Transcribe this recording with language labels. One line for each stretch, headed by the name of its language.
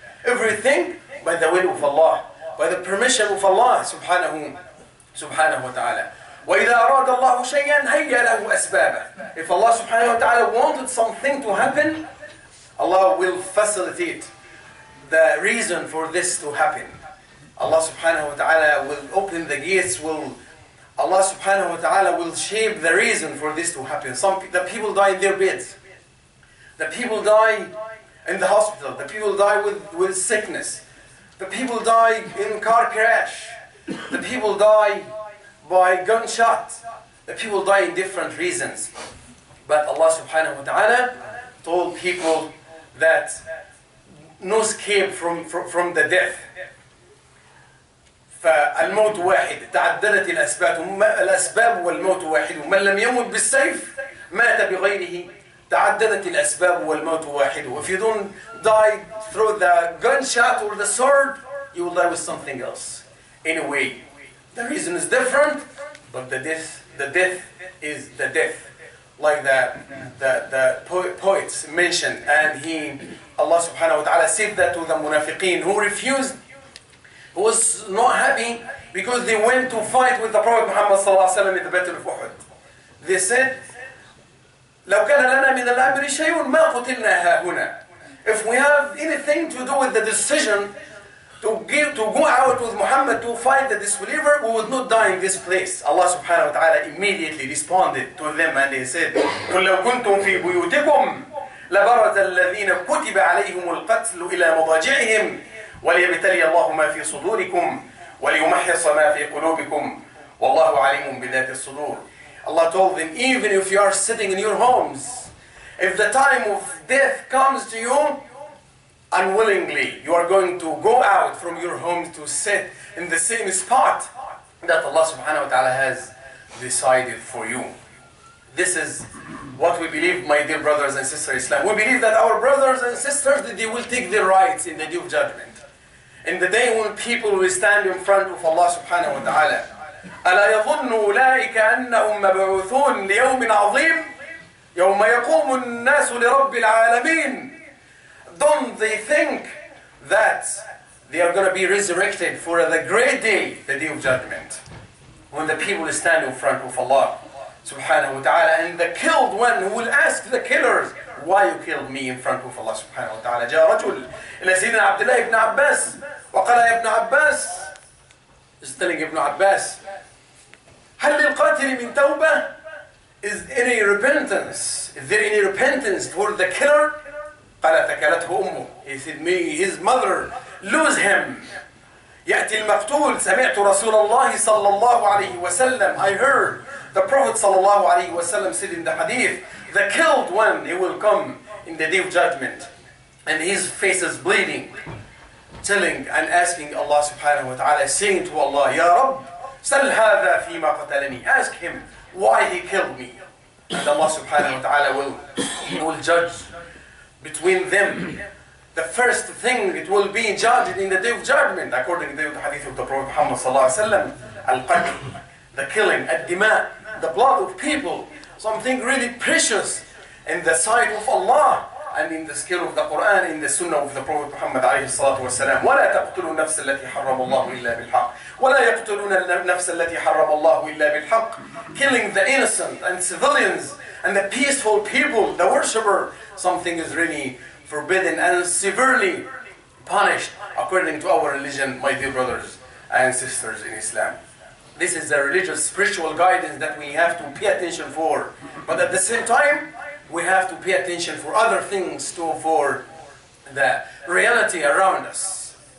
English: Everything by the will of Allah, by the permission of Allah subhanahu wa ta'ala.
Arabic: وَإِذَا أَرَادَ اللَّهُ شَيْئًا هَيَّ لَهُ أَسْبَابًا.
English: If Allah subhanahu wa ta'ala wanted something to happen, Allah will facilitate the reason for this to happen. Allah subhanahu wa ta'ala will open the gates, Allah subhanahu wa ta'ala will shape the reason for this to happen. The people die in their beds. The people die in the hospital. The people die with sickness. The people die in car crash. The people die by gunshot. The people die in different reasons. But Allah subhanahu wa ta'ala told people that no escape from the death.
Arabic: فالموت واحد تعددت الأسباب الأسباب والموت واحد ومن لم يموت بالسيف مات بغيره تعددت الأسباب والموت واحد.
English: If you don't die through the gunshot or the sword, you will die with something else. Anyway, the reason is different, but the death is the death. Like the poets mentioned, and he, Allah subhanahu wa ta'ala said that to the munafiqeen who refused, who was not happy because they went to fight with the Prophet Muhammad sallallahu alaihi wasallam in the Battle of Uhud. They said,
Arabic: لو كان لنا من الأمر شيء ما قتلنا هاهنا.
English: If we have anything to do with the decision to go out with Muhammad to fight the disbeliever, we would not die in this place. Allah subhanahu wa ta'ala immediately responded to them and he said,
Arabic: قل لو كنتم في بيوتكم لبرز الذين كتب عليهم القتل إلى مضاجعهم وليبتلي الله ما في صدوركم وليمحص ما في قلوبكم والله عليم بذات الصدور.
English: Allah told them, even if you are sitting in your homes, if the time of death comes to you, unwillingly, you are going to go out from your home to sit in the same spot that Allah subhanahu wa ta'ala has decided for you. This is what we believe, my dear brothers and sisters in Islam. We believe that our brothers and sisters, that they will take their rights in the Day of Judgment. In the day when people will stand in front of Allah subhanahu wa ta'ala.
Arabic: أَلَا يَظُنُّ أُولَٰئِكَ أَنَّهُمْ مَبْعُوثُونَ لِيَوْمٍ عَظِيمٍ يَوْمَ يَقُومُ النَّاسُ لِرَبِّ الْعَالَمِينَ.
English: Don't they think that they are going to be resurrected for the great day, the Day of Judgment, when the people stand in front of Allah subhanahu wa ta'ala, and the killed one who will ask the killers, why you killed me in front of Allah subhanahu wa ta'ala.
Arabic: جاء رجل إلى سيدنا عبد الله بن عباس وقال يا ابن عباس,
English: is telling Ibn Abbas,
Arabic: هل للقاتل من توبة?
English: Is any repentance? Is there any repentance for the killer?
Arabic: قال تكلته أمه.
English: He said, may his mother lose him.
Arabic: يأتي المقتول. سمعت رسول الله صلى الله عليه وسلم.
English: I heard the Prophet
Arabic: صلى الله عليه وسلم
English: said in the hadith, the killed one, he will come in the Day of Judgment, and his face is bleeding. Telling and asking Allah subhanahu wa ta'ala, saying to Allah,
Arabic: Ya Rabb, sal hadha fi ma qatalani.
English: Ask him why he killed me. And Allah subhanahu wa ta'ala will judge between them. The first thing it will be judged in the Day of Judgment, according to the hadith of the Prophet Muhammad sallallahu alayhi wa sallam, al-qatl, the killing, al-dima, the blood of people, something really precious in the sight of Allah. And in the scale of the Quran, in the Sunnah of the Prophet Muhammad
Arabic: عليه الصلاة والسلام, ولا تقتلوا النفس التي حرم الله إلا بالحق, ولا يقتلون النفس التي حرم الله إلا بالحق.
English: Killing the innocent and civilians and the peaceful people, the worshipper, something is really forbidden and severely punished according to our religion, my dear brothers and sisters in Islam. This is the religious spiritual guidance that we have to pay attention for, but at the same time, we have to pay attention for other things too, for the reality around us.